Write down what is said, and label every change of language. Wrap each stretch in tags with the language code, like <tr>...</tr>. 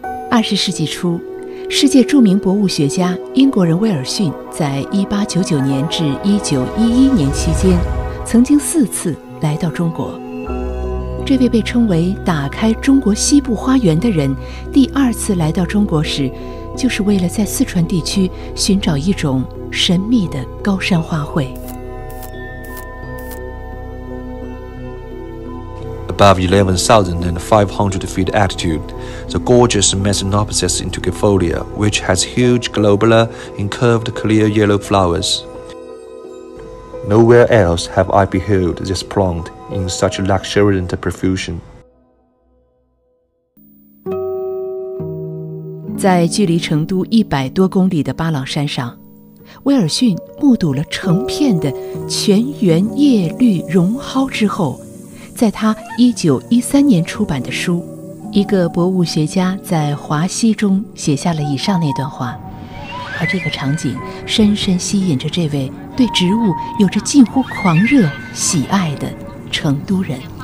<zh>20世纪初，世界著名博物学家英国人威尔逊在1899年至1911年期间，曾经四次来到中国。这位被称为打开中国西部花园的人，第二次来到中国时，就是为了在四川地区寻找一种神秘的高山花卉。</zh> <en>Above 11,500 feet altitude, the gorgeous Mesinopsis integrifolia, which has huge globular and curved clear yellow flowers. Nowhere else have I beheld this plant in such luxuriant profusion.</en> <zh>在距离成都100多公里的巴朗山上，威尔逊目睹了成片的全圆叶绿茸蒿之后，在他1913年出版的书《一个博物学家在华西》中写下了以上那段话，而这个场景深深吸引着这位对植物有着近乎狂热喜爱的成都人。</zh>